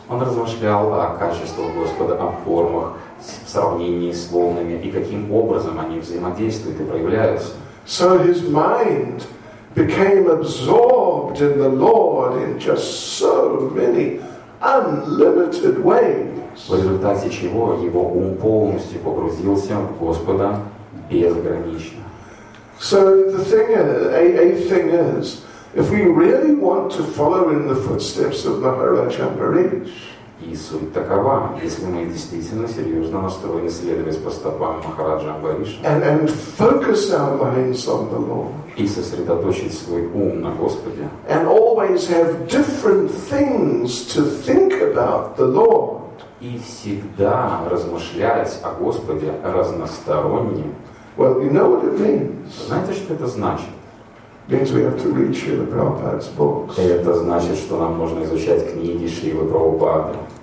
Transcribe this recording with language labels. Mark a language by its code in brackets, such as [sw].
[ru] Он размышлял о качествах Господа, о формах, в сравнении с волнами, и каким образом они взаимодействуют и проявляются. [en] So his mind became absorbed in the Lord in just so many unlimited ways. [ru] В результате чего его ум полностью погрузился в Господа безгранично. [en] So the thing is, a thing is, if we really want to follow in the footsteps of Maharaj Amrish, [ru] и суть такова, если мы действительно серьезно настроены следовать по стопам Махараджа Амбариша, [en] and focus our minds on the Lord, [ru] и сосредоточить свой ум на Господе, [en] and always have different things to think about the Lord, [ru] и всегда размышлять о Господе разносторонне, [en] well, you know what it means. [ru] Знаете, что это значит? [en] Means we have to read Srila Prabhupada's books. [ru] Это значит, что нам нужно изучать книги Шрилы Прабхупады.